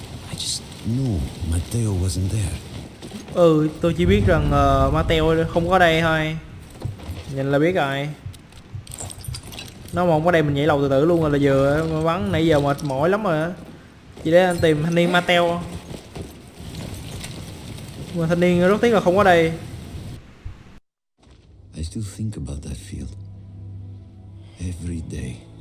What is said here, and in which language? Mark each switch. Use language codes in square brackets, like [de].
[en] I just knew Mateo wasn't there. [vi] Ừ, tôi chỉ biết rằng Mateo không có đây thôi. Nhìn là biết rồi. Nó mà không có đây mình nhảy lầu tự tử luôn rồi là vừa bắn nãy giờ mệt mỏi lắm rồi á. Chỉ để anh tìm thanh niên Mateo. Mà thanh niên rất tiếc là không có đây. [en] I still think about that field. Every day.